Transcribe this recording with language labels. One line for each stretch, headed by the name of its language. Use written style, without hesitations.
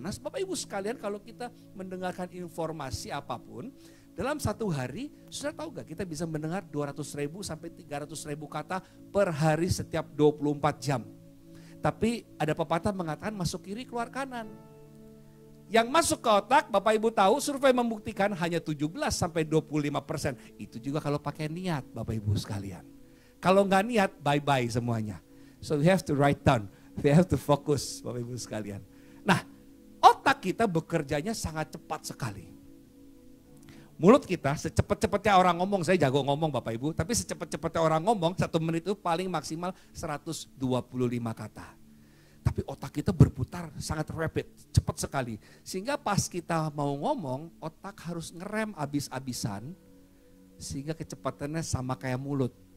Indonesian: Nah Bapak Ibu sekalian, kalau kita mendengarkan informasi apapun, dalam satu hari, sudah tahu gak kita bisa mendengar 200 ribu sampai 300 ribu kata per hari setiap 24 jam. Tapi ada pepatah mengatakan masuk kiri keluar kanan. Yang masuk ke otak, Bapak Ibu tahu, survei membuktikan hanya 17-25%. Itu juga kalau pakai niat, Bapak Ibu sekalian. Kalau enggak niat, bye-bye semuanya.
English: So we have to write down, we have to focus,
Indonesian: Bapak Ibu sekalian. Nah, otak kita bekerjanya sangat cepat sekali. Mulut kita, secepat-cepatnya orang ngomong, saya jago ngomong Bapak Ibu, tapi secepat-cepatnya orang ngomong, satu menit itu paling maksimal 125 kata. Tapi otak kita berputar sangat rapid, cepat sekali. Sehingga pas kita mau ngomong, otak harus ngerem abis-abisan, sehingga kecepatannya sama kayak mulut.